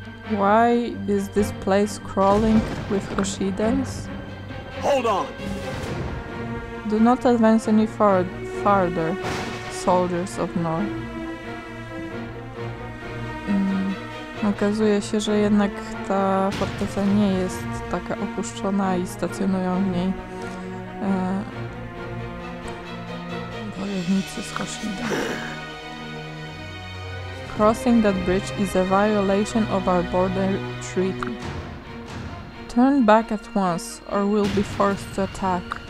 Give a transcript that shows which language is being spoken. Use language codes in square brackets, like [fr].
[en] Why is this place crawling with Hoshidens? Hold on! Do not advance any farther, soldiers of Nor. [pl] Okazuje się, że jednak ta forteca nie jest taka opuszczona i stacjonują w niej wojownicy z Hoshidens. [en] Crossing that bridge is a violation of our border treaty. Turn back at once, or we'll be forced to attack.